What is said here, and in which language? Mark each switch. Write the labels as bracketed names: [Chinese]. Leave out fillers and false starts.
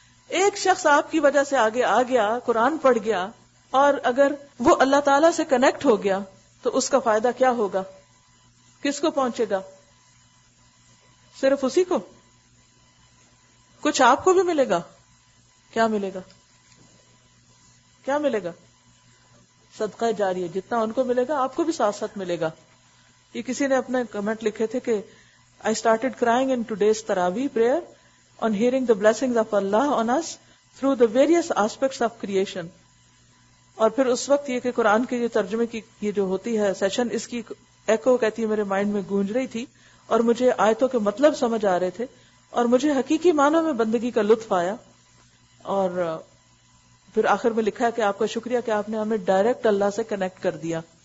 [Urdu] ایک شخص آپ کی وجہ سے آگے آ گیا, قرآن پڑھ گیا, اور اگر وہ اللہ تعالی سے کنیکٹ ہو گیا تو اس کا فائدہ کیا ہوگا, کس کو پہنچے گا؟ صرف اسی کو؟ کچھ آپ کو بھی ملے گا؟ کیا ملے گا, کیا ملے گا؟ صدقہ جاریہ, جتنا ان کو ملے گا آپ کو بھی ساتھ ساتھ ملے گا. یہ کسی نے اپنے کمنٹ لکھے تھے کہ [English] I started crying in today's Tarawih prayer on hearing the blessings of Allah on us through the various aspects of creation. [Urdu] اور پھر اس وقت یہ کہ قرآن کے یہ ترجمے کی یہ جو ہوتی ہے سیشن, اس کی ایکو کہتی ہے میرے مائنڈ میں گونج رہی تھی اور مجھے آیتوں کے مطلب سمجھ آ رہے تھے اور مجھے حقیقی معنوں میں بندگی کا لطف آیا. اور پھر آخر میں لکھا ہے کہ آپ کا شکریہ کہ آپ نے ہمیں ڈائریکٹ اللہ سے کنیکٹ کر دیا.